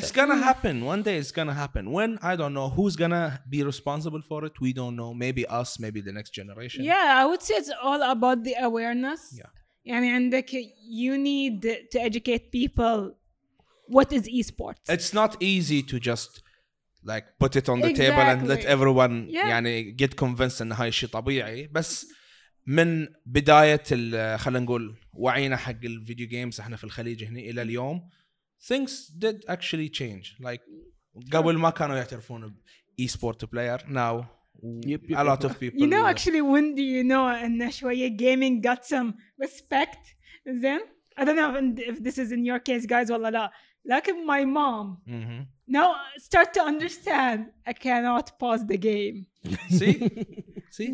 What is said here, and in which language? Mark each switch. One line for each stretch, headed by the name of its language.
English: it's gonna happen one day it's gonna happen when I don't know who's gonna be responsible for it we don't know maybe us maybe the next generation yeah I would say it's all about the awareness yeah
Arabic: يعني عندك
English: you need to educate people what is esports it's not easy to just like put it on the exactly. table and let everyone yeah.
Arabic: يعني
English: get convinced
Arabic: ان هاي شيء طبيعي بس من بداية خلينا نقول وعينا حق الفيديو جيمز احنا في الخليج هنا الى اليوم
English: things did actually change like
Arabic: قبل ما كانوا يعترفون اي سبورت بلاير
English: now a lot of people you know actually when do you know
Arabic: ان شويه
English: gaming got some respect then I don't know if this is in your case guys
Arabic: ولا لا لكن
English: my mom now start to understand I cannot pause the game. See?